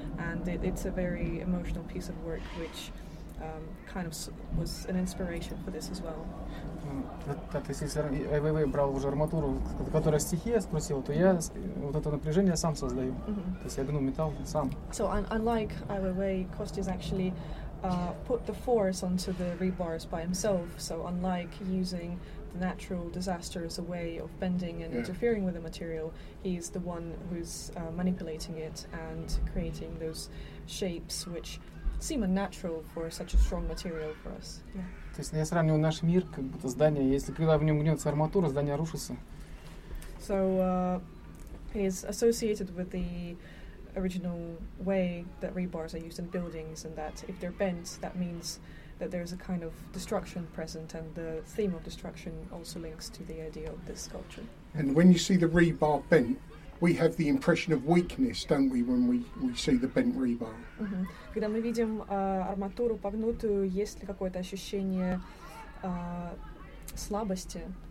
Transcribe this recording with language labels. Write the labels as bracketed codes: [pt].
[en] And it's a very emotional piece of work, which kind of was an inspiration for this as well. [ru] Так, если Ай Вейвей брал уже арматуру, которая стихия спросила, то я вот это напряжение сам создаю. То есть я гну металл сам. [en] So unlike Ai Weiwei, Kosti is actually put the force onto the rebars by himself. So unlike using the natural disaster as a way of bending and interfering with the material, he's the one who's manipulating it and creating those shapes which seem unnatural for such a strong material for us. Yeah. [ru] То есть я сравниваю наш мир, как будто здание. Если когда в нем гнется арматура, здание рушится. [en] So he is associated with the original way that rebars are used in buildings, and that if they're bent, that means that there's a kind of destruction present, and the theme of destruction also links to the idea of this sculpture. And when you see the rebar bent, we have the impression of weakness, don't we, when we see the bent rebar? Mm-hmm. [ru] Когда мы видим арматуру погнутую, есть ли какое-то ощущение слабости?